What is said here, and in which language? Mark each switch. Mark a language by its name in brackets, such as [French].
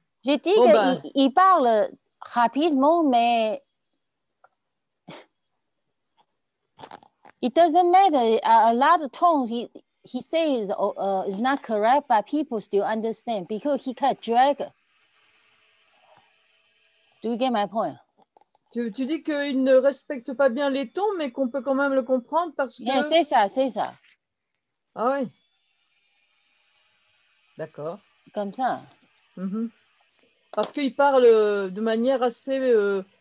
[French] J'ai dit qu'il parle rapidement, mais [English] it doesn't matter. A lot of tones he says is not correct, but people still understand because he can drag. Do you get my point? [French] Tu dis qu'il ne respecte pas bien les tons, mais qu'on peut quand même le comprendre parce que... Yeah, c'est ça. Ah oui. D'accord. Comme ça. Mm-hmm. Parce qu'il parle de manière assez...